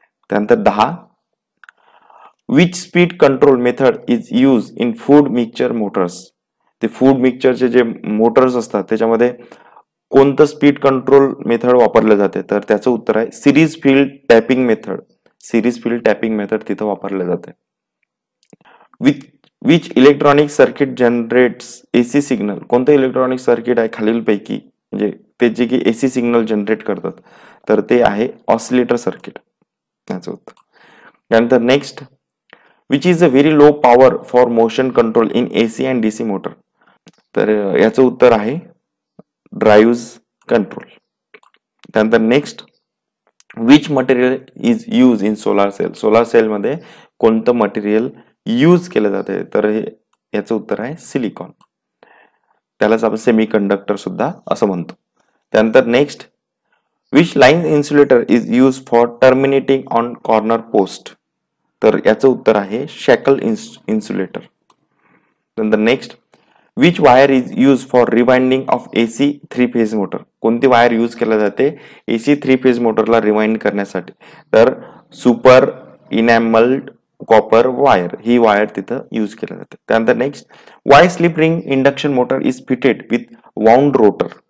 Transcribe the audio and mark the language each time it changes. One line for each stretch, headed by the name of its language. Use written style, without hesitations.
Marathi: त्यानंतर 10,
English: Which speed control method is use in food mixture motors?
Marathi: ते food मिक्सचरचे जे Motors असतात त्याच्यामध्ये कोणतं स्पीड कंट्रोल मेथड वापरलं जाते? तर त्याचं उत्तर आहे series field tapping method. Series field tapping method तिथं वापरलं जाते.
English: Which electronic circuit generates AC signal?
Marathi: कोणतं इलेक्ट्रॉनिक सर्किट आहे खालीलपैकी म्हणजे त्याचे की एसी सिग्नल जनरेट करतात? तर ते आहे ऑसिलेटर सर्किट. त्याचं उत्तर. त्यानंतर
English: Next, which is a very low power for motion control in AC and DC motor?
Marathi: तर याचं उत्तर आहे ड्राईव्ह कंट्रोल. त्यानंतर
English: Next, which material is use in solar cell?
Marathi: Solar सेलमध्ये कोणतं मटेरियल यूज केलं जाते? तर हे याचं उत्तर आहे सिलिकॉन, त्यालाच आपण सेमी कंडक्टर सुद्धा असं म्हणतो.
English: त्यानंतर next, which line insulator is use for terminating on corner post?
Marathi: तर याचं उत्तर आहे शॅकल इन्सुलेटर.
English: त्यानंतर next, which wire is use for rewinding of AC three phase motor?
Marathi: कोणती वायर यूज केल्या जाते एसी थ्री फेज मोटरला रिवाइंड करण्यासाठी? तर सुपर इनॅमल्ड कॉपर वायर, ही वायर तिथं यूज केल्या जाते.
English: त्यानंतर next, why slip ring induction motor is fitted with wound rotor?